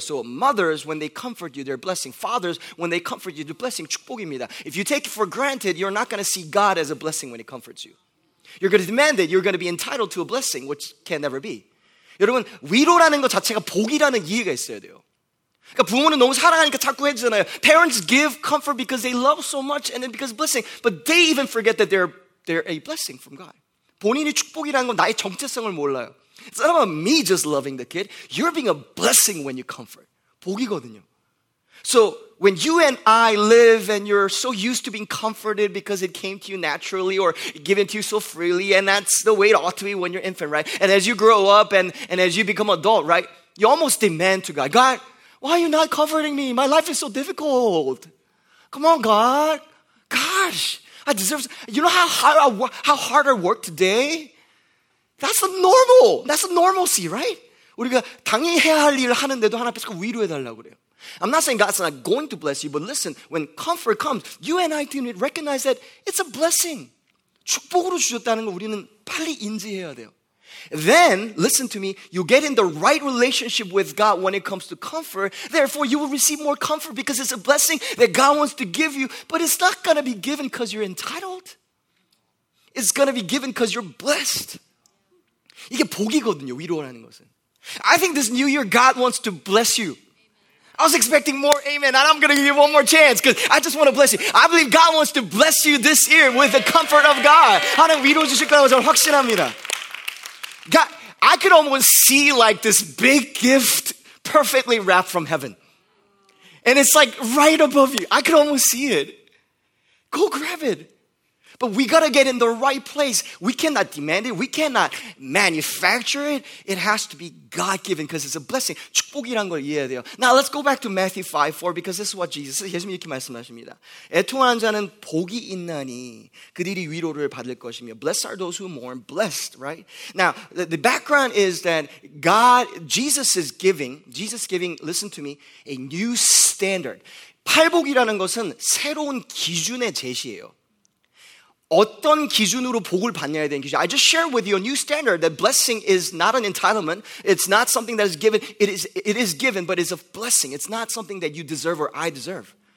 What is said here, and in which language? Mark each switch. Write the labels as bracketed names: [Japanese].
[English] So mothers, when they comfort you, they're blessing. Fathers, when they comfort you, they're blessing. [Korean] 축복입니다. [English] If you take it for granted, you're not going to see God as a blessing when he comforts you. You're going to demand it. You're going to be entitled to a blessing, which can never be. [Korean] 여러분, 위로라는 것 자체가 복이라는 이해가 있어야 돼요. 그러니까 부모는 너무 사랑하니까 자꾸 해주잖아요. [English] Parents give comfort because they love so much and then because blessing. But they even forget that they're a blessing from God. [Korean] 본인이 축복이라는 건 나의 정체성을 몰라요. [English] It's not about me just loving the kid. You're being a blessing when you comfort. [Korean] 복이거든요. [English] So when you and I live and you're so used to being comforted because it came to you naturally or given to you so freely, and that's the way it ought to be when you're infant, right? And as you grow up and as you become adult, right, you almost demand to God, God, why are you not comforting me? My life is so difficult. Come on, God. Gosh, I deserve, you know how hard I worked today? That's the normal. That's the normalcy, right? [Korean] 우리가 당연히 해야 할 일을 하는데도 하나님께서 위로해달라고 그래요. [English] I'm not saying God's not going to bless you, but listen, when comfort comes, you and I need to recognize that it's a blessing. [Korean] 축복으로 주셨다는 걸 우리는 빨리 인지해야 돼요. [English] Then, listen to me, you get in the right relationship with God when it comes to comfort. Therefore, you will receive more comfort because it's a blessing that God wants to give you, but it's not going to be given because you're entitled. It's going to be given because you're blessed. [Korean] 이게 복이거든요, 위로라는 것은. [English] I think this new year, God wants to bless you. I was expecting more amen, and I'm going to give you one more chance because I just want to bless you. I believe God wants to bless you this year with the comfort of God. [Korean] 하나님 위로 주실 거라고 저는 확신합니다. [English] God, I could almost see like this big gift perfectly wrapped from heaven. And it's like right above you. I could almost see it. Go grab it. But we got to get in the right place. We cannot demand it. We cannot manufacture it. It has to be God-given because it's a blessing. [Korean] 축복이란 걸 이해해야 돼요. [English] Now let's go back to Matthew 5:4 because this is what Jesus says. [Korean] 예수님 이렇게 말씀하십니다. 애통한 자는 복이 있나니 그들이 위로를 받을 것이며 [English] blessed are those who mourn. Blessed, right? Now, the background is that God, Jesus is giving, listen to me, a new standard. [Korean] 팔복이라는 것은 새로운 기준의 제시예요. 어떤 기준으로 복을 받냐에 대한 기준. [English] I just shared with you a new standard that blessing is not an entitlement. It's not something that is given. It is given, but it's a blessing. It's not something that you deserve or I deserve.